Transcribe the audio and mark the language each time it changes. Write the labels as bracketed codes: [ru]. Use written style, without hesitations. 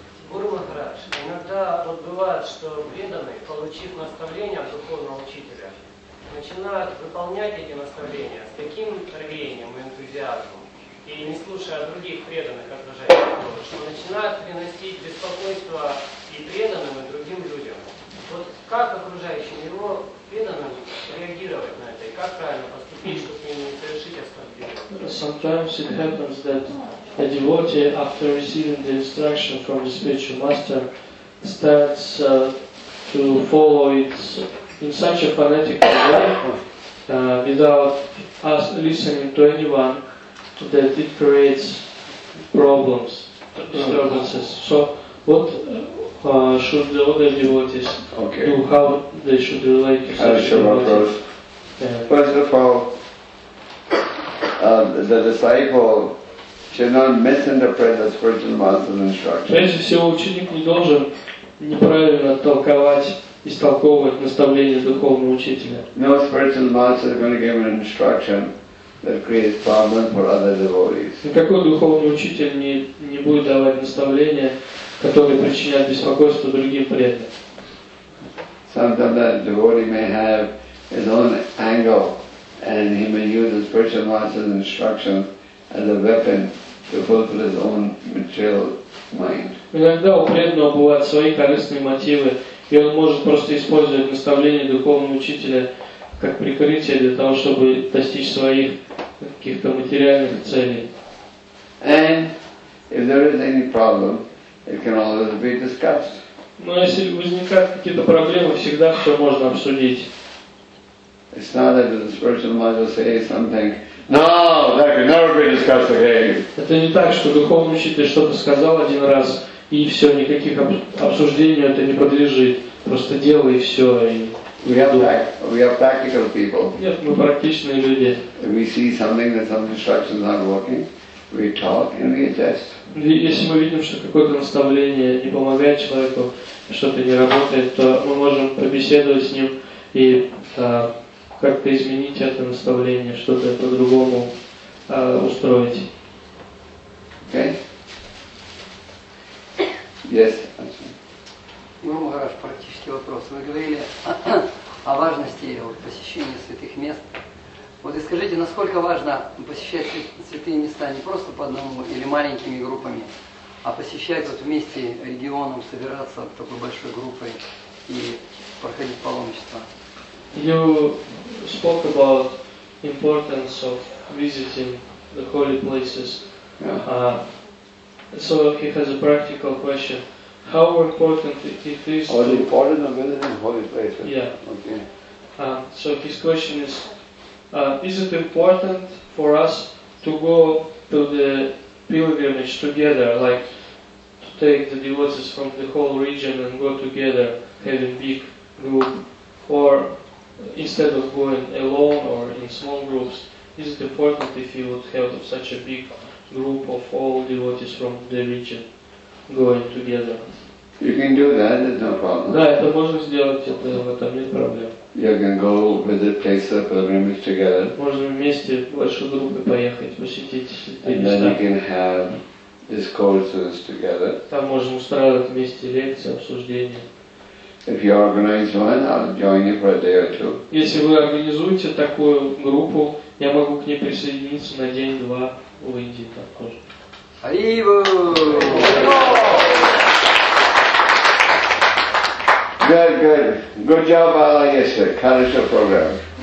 [ru] Гуру Махарадж, иногда вот бывает, что преданный, получив наставление от духовного учителя, начинают выполнять эти наставления с таким рвением и энтузиазмом, и не слушая других преданных окружающих, что начинают приносить беспокойство и преданным, и другим людям. Вот как окружающим его преданным реагировать на это, и как правильно поступить, чтобы не совершить оскорбление? [en] Sometimes it happens that a devotee, after receiving the instruction from the spiritual master, starts to follow it in such a fanatic way, without us listening to anyone, that it creates problems, disturbances. So, what should the other devotees okay. do? How they should relate to such devotees? Sure, yeah. First of all, the disciple should not misinterpret the spiritual master's instructions. [ru] Прежде всего, ученик не должен неправильно толковать, истолковывать наставление духовного учителя. [en] No spiritual master is going to give an instruction that creates problems for other devotees. [ru] Никакой духовный учитель не будет давать наставления, которые причиняют беспокойство другим преданным. [en] Sometimes that devotee may have his own anger, and he may use the spiritual master's instructions as a weapon to fulfill his own material mind. [ru] Иногда у преданного бывают свои корыстные мотивы, и он может просто использовать наставление духовного учителя как прикрытие для того, чтобы достичь своих каких-то материальных целей. [en] And if there is any problem, it can always be discussed. [ru] Но если возникают какие-то проблемы, всегда все можно обсудить. [en] It's not that the spiritual master says something. No, that can never be discussed again. [ru] Это не так, что духовный учитель что-то сказал один раз, и все, никаких обсуждений это не подлежит. Просто делай и все. [en] We are practical people. [ru] Нет, мы практичные люди. [en] We see something that some instructions aren't working, we talk and we adjust. [ru] Если мы видим, что какое-то наставление не помогает человеку, что-то не работает, то мы можем побеседовать с ним и как-то изменить это наставление, что-то по-другому устроить. [en] Okay. Yes. [ru] Гуру Махарадж, практический вопрос. Вы говорили о важности посещения святых мест. Вот и скажите, насколько важно посещать святые места не просто по одному или маленькими группами, а посещать вот вместе регионом, собираться вот такой большой группой и проходить паломничество? [en] You spoke about importance of visiting the holy places. So he has a practical question. How important it is to... Oh, the important of visiting holy places? Yeah. Okay. So his question is it important for us to go to the pilgrimage together, like to take the devotees from the whole region and go together, have a big group, or instead of going alone or in small groups, is it important if you would have such a big group of all devotees from the region going together? You can do that, it's no problem. [ru] Да, это можно сделать, это в этом нет проблем. [en] You can go visit places of pilgrimage together. [ru] Можно вместе большой группой поехать, посетить эти места. [en] And then you can have discourses together. [ru] Там можно устраивать вместе лекции, обсуждения. [en] If you organize one, I'll join you for a day or two. [ru] Если вы организуете такую группу, я могу к ней присоединиться на день-два в Индии тоже. Ариву! [en] Good, good. Good job, Bala, yesterday. [ru] Хорошо программа.